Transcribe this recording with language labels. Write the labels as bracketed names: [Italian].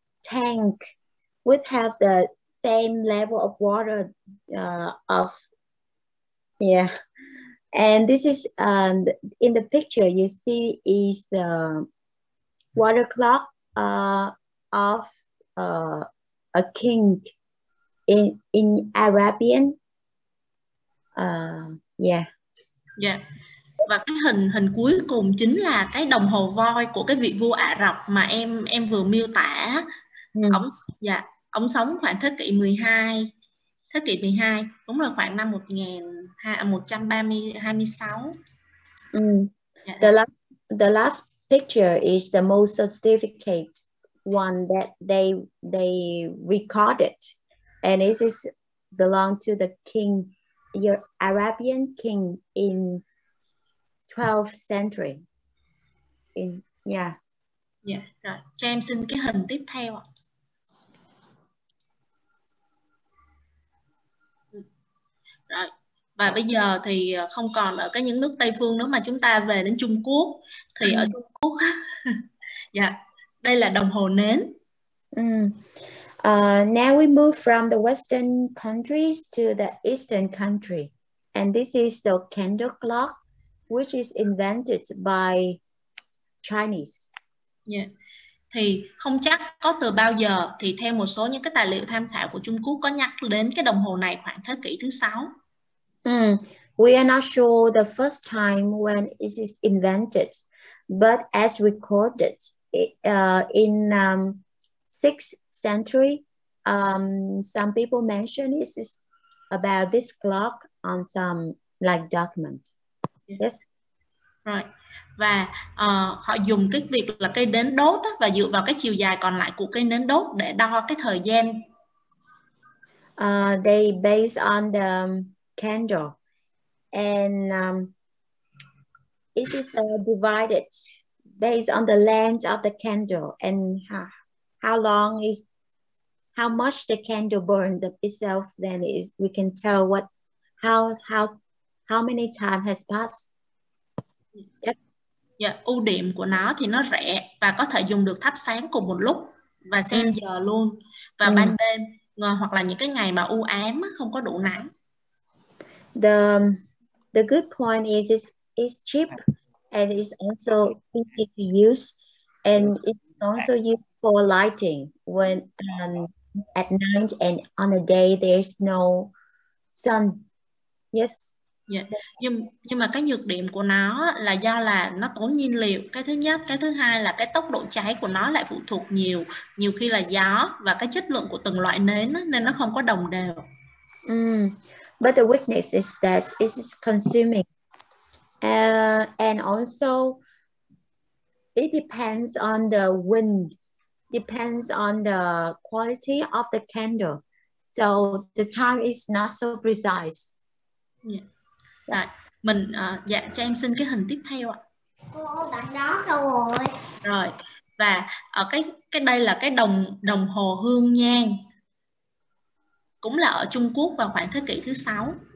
[English] tank would have the same level of water of yeah, and this is in the picture you see is the water clock of a king in Arabian yeah. [Vietnamese] Và cái hình cuối cùng chính là cái đồng hồ voi của cái vị vua Ả Rập mà em vừa miêu tả. Ông sống khoảng thế kỷ 12, đúng là khoảng năm 1236. [English] The last picture is the most sophisticated one that they recorded, and it is belong to the king, your Arabian king in 12th century. Yeah. [Vietnamese] Rồi, cho em xin cái hình tiếp theo ạ. Rồi, và bây giờ thì không còn ở cái những nước Tây phương nữa mà chúng ta về đến Trung Quốc. Thì ở Trung Quốc đây là đồng hồ nến. [English] Now we move from the western countries to the eastern country. And this is the candle clock, which is invented by Chinese. Yeah. [Vietnamese] Thì không chắc có từ bao giờ, thì theo một số những cái tài liệu tham khảo của Trung Quốc có nhắc đến cái đồng hồ này khoảng thế kỷ thứ 6. [English] We are not sure the first time when it is invented, but as recorded in 6th century, some people mention it is about this clock on some like document. Yes. Right. [Vietnamese] Và họ dùng cái việc là cây nến đốt á, và dựa vào cái chiều dài còn lại của cây nến đốt để đo cái thời gian. [English] They based on the candle, and it is divided based on the length of the candle and how long is how much the candle burned itself. Then is we can tell what how many time has passed. [Vietnamese] Ưu điểm của nó thì nó rẻ và có thể dùng được thắp sáng cùng một lúc và xem giờ luôn và ban đêm hoặc là những cái ngày mà u ám không có đủ nắng. [English] The good point is it's cheap and it's also easy to use, And it's also used for lighting when at night and on a day there's no sun. Yes. Yeah. [Vietnamese] Nhưng mà cái nhược điểm của nó là do là nó tốn nhiên liệu. Cái thứ nhất, cái thứ hai là cái tốc độ cháy của nó lại phụ thuộc nhiều, nhiều khi là gió và cái chất lượng của từng loại nến nên nó không có đồng đều. [English] But the weakness is that it is consuming. And also it depends on the wind, depends on the quality of the candle. So the time is not so precise. Yeah. [Vietnamese] Rồi, mình dạ cho em xin cái hình tiếp theo ạ. Cô bạn đó đâu rồi? Rồi. Và ở cái đây là cái đồng hồ hương nhang. Cũng là ở Trung Quốc vào khoảng thế kỷ thứ 6.